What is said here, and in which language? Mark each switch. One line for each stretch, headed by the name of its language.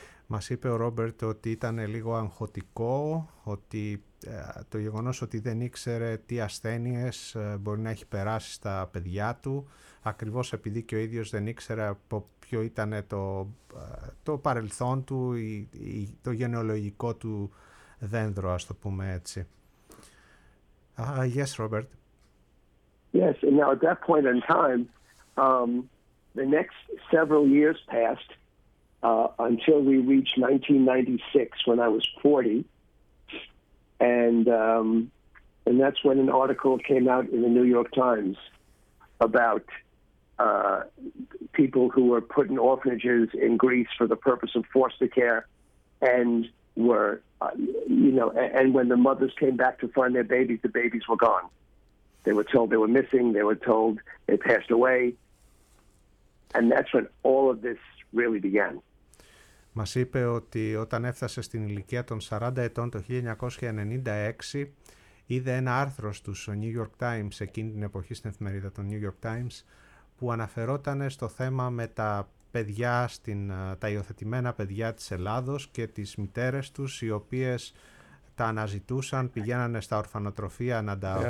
Greek: Μας είπε ο Ρόμπερτ ότι ήταν λίγο αγχωτικό, ότι το γεγονός ότι δεν ήξερε τι ασθένειες μπορεί να έχει περάσει στα παιδιά του, ακριβώς επειδή και ο ίδιος δεν ήξερε από ποιο ήταν το παρελθόν του ή το γενεολογικό του δέντρο, ας το πούμε έτσι.
English: Yes, Robert. Yes, and now at that point in time, the next several years passed, until we reached 1996 when I was 40. And that's when an article came out in the New York Times about people who were put in orphanages in Greece for the purpose of foster care and were, and when the mothers came back to find their babies, the babies were gone. They were told they were missing. They were told they passed away. And that's when all of this really began.
Greek: Μας είπε ότι όταν έφτασε στην ηλικία των 40 ετών το 1996 είδε ένα άρθρο στο New York Times εκείνη την εποχή στην εφημερίδα των New York Times που αναφερόταν στο θέμα με τα παιδιά, τα υιοθετημένα παιδιά της Ελλάδος και τις μητέρες τους οι οποίες τα αναζητούσαν, πηγαίνανε στα ορφανοτροφεία να τα βρουν.